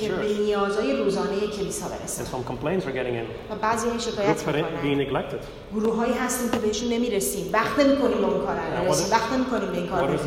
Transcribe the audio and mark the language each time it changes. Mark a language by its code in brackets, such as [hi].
[fa] که به نیازهای روزانه کلیسا برسن. [en] And some complaints are getting in. [fa] و بعضی این شکایت میکنن. [en] Groups are being neglected. [fa] گروهایی هستن که بهشون نمیرسیم. وقت نمیکنیم به اون کار نرسیم. وقت نمیکنیم به این کار نرسیم.